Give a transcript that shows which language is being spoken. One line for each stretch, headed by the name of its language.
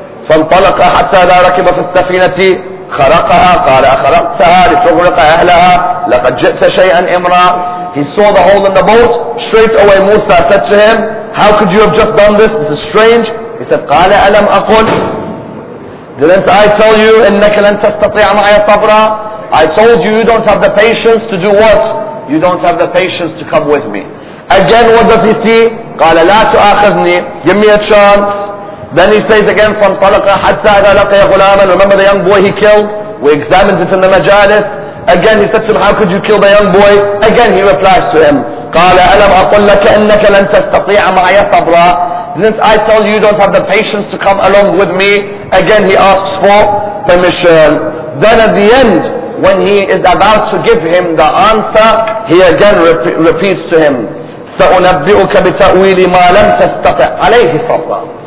Arabic: فَانْطَلَقَ حَتَّى إِذَا رَكِبَ فِي السَّفِينَةِ خَرَقَهَا قَالَ أَخَرَقْتَهَا لِتُغْرِقَ أَهْلَهَا لَقَدْ جِئْتَ شَيْئًا إِمْرًا.
English: He saw the hole in the boat. Straight away Musa said to him, how could you have just done this? This is strange. He said,
Arabic: قَالَ أَلَمْ أَقُلْ.
English: Didn't I tell you,
Arabic: إِنَّكَ لَنْ تَسْتَطِعْ مَعَيَ صَبْرًا.
English: I told you, you don't have the patience to do what? You don't have the patience to come with me. Again, what does he see?
Arabic: قَالَ لَا تُؤَاخِذْنِي.
English: Give me a chance. Then he says again,
Arabic: فَانْطَلَقَ حَتَّى إِذَا لَقِيَ غُلَامًا.
English: Remember the young boy he killed? We examined it in the majalis. Again, he said to him, how could you kill the young boy? Again, he replies to him,
Arabic: قَالَ أَلَمْ أَقُلْ لَكَ إِنَّكَ لَنْ تَسْتَطِيعَ مَعَيَ صَبْرًا.
English: Didn't I tell you don't have the patience to come along with me? Again, he asks for permission. Then at the end, when he is about to give him the answer, he again repeats to him,
Arabic: سَأُنَبِّئُكَ بِتَأْوِيلِ مَا لَمْ تَسْتَطِعْ عَلَيْهِ صَبْرًا.